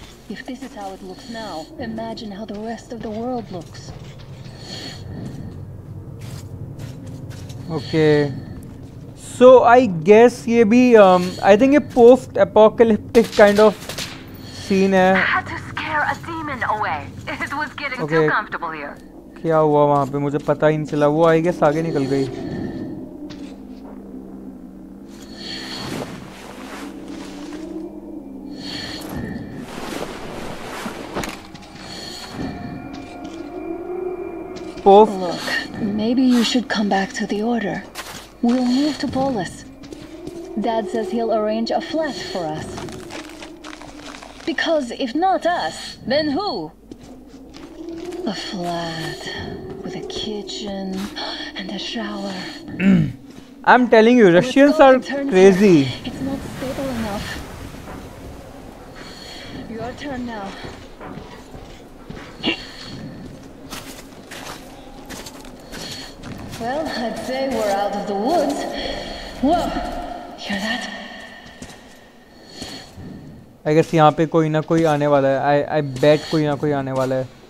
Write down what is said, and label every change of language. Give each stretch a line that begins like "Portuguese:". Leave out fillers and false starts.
English: If this is how it looks now, imagine how the rest of the world looks. Okay. So I guess
Hindi: ये भी
English: I think a post apocalyptic kind of scene है. I had to scare a demon away. It was getting okay. too comfortable here.
Hindi: क्या हुआ वहाँ पे, मुझे पता ही नहीं चला. वो
English: I guess
Hindi: आगे निकल गई.
English: Post. Look, maybe you should come back to the order. We'll move to Polis. Dad says he'll arrange a flat for us. Because if not us, then who? A flat with a kitchen and a shower. I'm telling you, Russians are crazy. It's not stable enough. Your turn now. Well, I'd say we're out of the woods. Whoa! Hear that? I guess
Hindi: यहाँ पे कोई ना कोई आने वाला है.
English: I bet
Hindi: कोई ना कोई आने वाला है.